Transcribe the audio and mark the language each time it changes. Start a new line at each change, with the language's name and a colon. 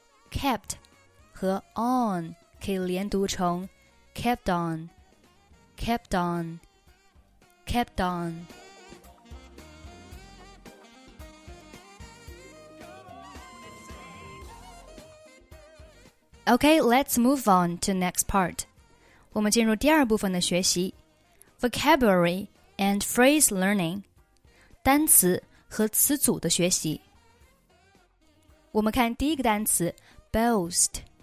Chinese: kept 和 on 可以连读成
English: kept on, kept on, kept on. Okay, let's move on to next part.
Chinese: 我们进入第二部分的学习
English: vocabulary and phrase learning,
Chinese: 单词和词组的学习。我们看第一个单词 boast,